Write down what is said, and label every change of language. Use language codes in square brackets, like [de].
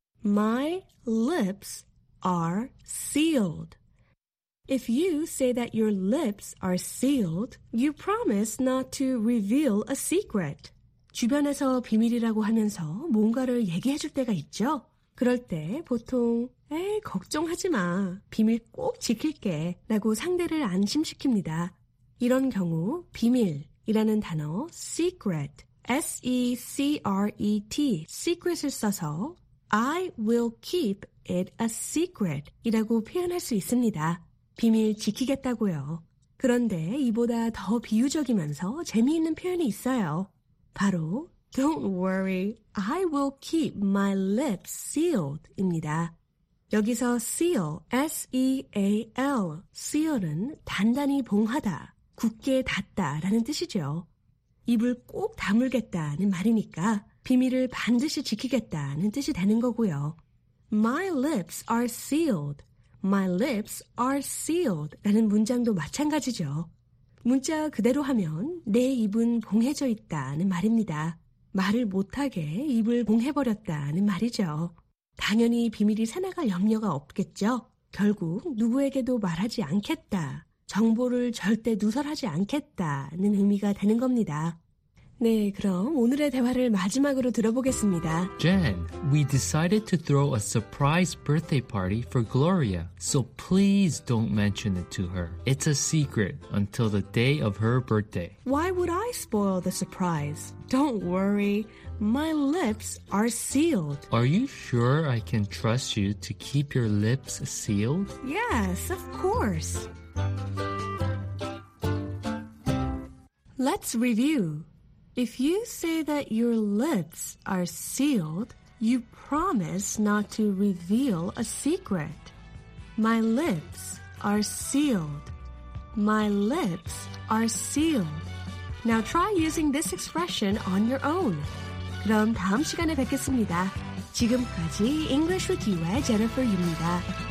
[en] My lips are sealed. If you say that your lips are sealed, you promise not to reveal a secret. [ko] 주변에서 비밀이라고 하면서 뭔가를 얘기해줄 때가 있죠? 그럴 때 보통 에이 걱정하지 마 비밀 꼭 지킬게 라고 상대를 안심시킵니다. 이런 경우 비밀이라는 단어 secret, S-E-C-R-E-T, secret을 써서 [en] I will keep it a secret [ko] 이라고 표현할 수 있습니다. 비밀 지키겠다고요. 그런데 이보다 더 비유적이면서 재미있는 표현이 있어요. 바로 [en] Don't worry, I will keep my lips sealed [ko] 입니다. 여기서 seal, S-E-A-L, seal은 단단히 봉하다, 굳게 닫다 라는 뜻이죠. 입을 꼭 다물겠다는 말이니까 비밀을 반드시 지키겠다는 뜻이 되는 거고요. [en] My lips are sealed. My lips are sealed [ko] 라는 문장도 마찬가지죠. 문자 그대로 하면 내 입은 봉해져 있다는 말입니다. 말을 못하게 입을 봉해버렸다는 말이죠. 당연히 비밀이 새나갈 염려가 없겠죠. 결국 누구에게도 말하지 않겠다, 정보를 절대 누설하지 않겠다는 의미가 되는 겁니다. 네, 그럼 오늘의 대화를 마지막으로 들어보겠습니다. [en] Jen, we decided to throw a surprise birthday party for Gloria. So please don't mention it to her. It's a secret until the day of her birthday. Why would I spoil the surprise? Don't worry. My lips are sealed. Are you sure I can trust you to keep your lips sealed? Yes, of course. Let's review. If you say that your lips are sealed, you promise not to reveal a secret. My lips are sealed. My lips are sealed. Now try using this expression on your own. [ko] 그럼 다음 시간에 뵙겠습니다. 지금까지 English with You의 Jennifer입니다.